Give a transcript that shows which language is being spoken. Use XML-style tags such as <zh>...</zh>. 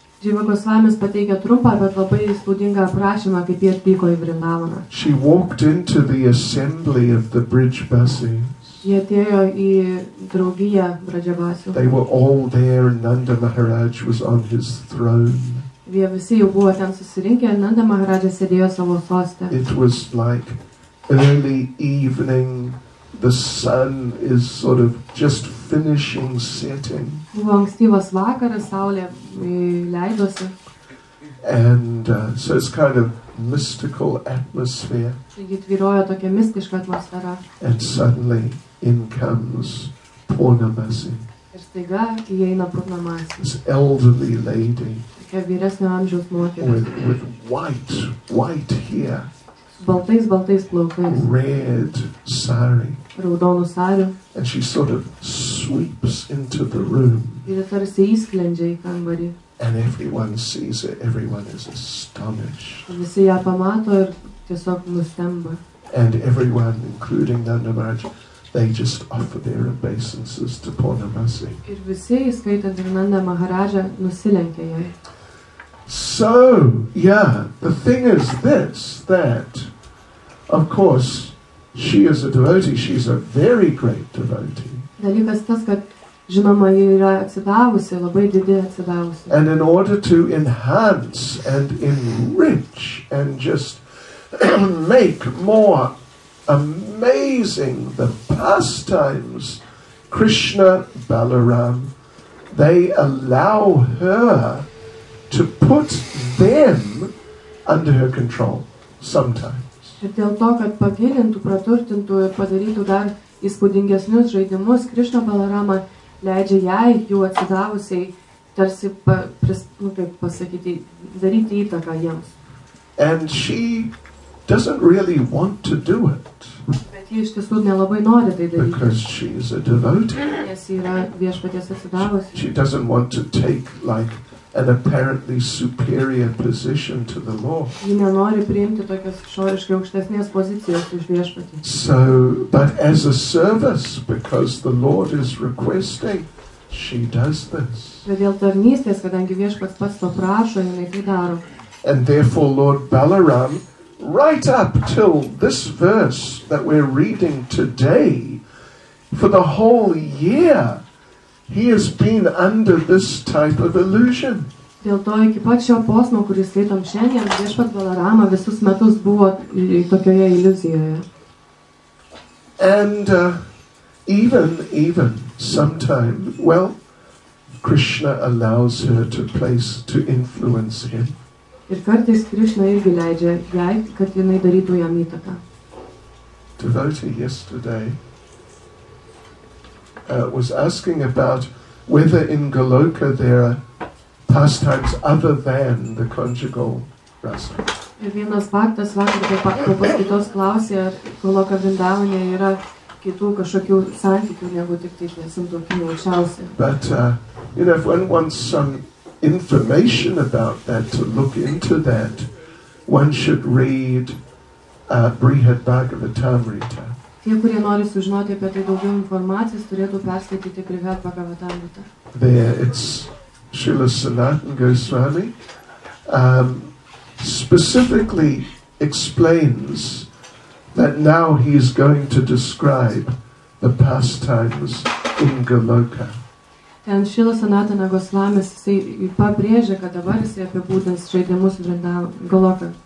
<en>She walked into the assembly of the bridge buses. They were all there, and Nanda Maharaj was on his throne.</en> <lt>Jie visi jau buvo ten susirinkę, Nanda Maharajas sėdėjo savo soste.</lt> <en>It was like early evening, the sun is sort of just finishing setting.</en> <lt>Buvo ankstyvas vakaras, saulė leidosi.</lt> <en>And so it's kind of mystical atmosphere.</en> <lt>Taigi tvyrojo tokia mistiška atmosfera.</lt> <en>And suddenly in comes Purnamasi.</en> <lt>Ir staiga įeina Purnamasi.</lt> <en>This elderly lady.</en> <lt>Vyresnio amžiaus moteris.</lt> <en>With white, white hair.</en> <lt>Baltais, baltais plaukais.</lt> <en>Red sari.</en> <lt>Raudonu sariu.</lt> <en>And she sort of sweeps into the room.</en> <lt>Ir tarsi įsklendžia į kambarį.</lt> <en>And everyone sees it, everyone is astonished.</en> <lt>Visi ją pamato ir tiesiog nustemba.</lt> <en>And everyone, including Nanda Maharaj, they just offer their obeisances to Purnamasi.</en> <lt>Ir visi, įskaitant ir Nanda Maharaja, nusilenkia jai.</lt> <en>So, yeah, the thing is this, that, of course, she is a devotee, she's a very great devotee.</en> <lt>Dalykas tas, kad, žinoma, ji yra atsidavusi, labai didi atsidavusi.</lt> <en>And in order to enhance and enrich and just make more amazing the pastimes, Krishna Balaram, they allow her to put them under her control sometimes.</en> <lt>Ir dėl to, kad pagilintų, praturtintų ir padarytų dar įspūdingesnius žaidimus, Krishna Balarama leidžia jai, jų atsidavusiai, tarsi, nu, kaip pasakyti, daryti įtaką jiems.</lt> <en>And she doesn't really want to do it.</en> <lt>Bet ji iš tiesų nelabai nori tai daryti.</lt> <en>Because she is a devotee.</en> <lt>Nes yra viešpaties atsidavusi.</lt> <en>She doesn't want to take, like, an apparently superior position to the Lord.</en> <lt>Ji nenori priimti tokios išoriškai aukštesnės pozicijos iš viešpatį.</lt> <en>So, but as a service, because the Lord is requesting, she does this.</en> <lt>Bet dėl tarnystės, kadangi viešpats pats to prašo, jinai tai daro.</lt> <en>And therefore Lord Balaram, right up till this verse that we're reading today, for the whole year, he has been under this type of illusion.</en> <lt>Dėl to iki pat šio posmo, kurį skaitom šiandien, viešpat Balarama visus metus buvo tokioje iliuzijoje.</lt> <en>And even sometime, well, Krishna allows her to place, to influence him.</en> <lt>Ir kartais Krishna irgi leidžia jai, kad jinai darytų jam įtaką.</lt> <en>Devotee yesterday was asking about whether in Goloka there are pastimes other than the conjugal rasa.</en> <lt>Ir vienas faktas vakar taip pat kitos klausė, ar Goloka Vrindavane yra kitų kažkokių santykių, negu tik tai santuokinių aukščiausia.</lt> <en>But, you know, if one wants some information about that, to look into that, one should read Brihad Bhagavatamrita.</en> <lt>Tie, kurie nori sužinoti apie tai daugiau informacijos, turėtų perskaityti Brihad Bhagavatamrita.</lt> <en>There it's Srila Sanatan Goswami specifically explains that now he is going to describe the pastimes in Goloka.</en> <lt>Ten Šilas Anatana Goslamis, jisai pabrėžia, kad dabar jisai apibūdins žaidimus Vrindavan, Goloka.</lt>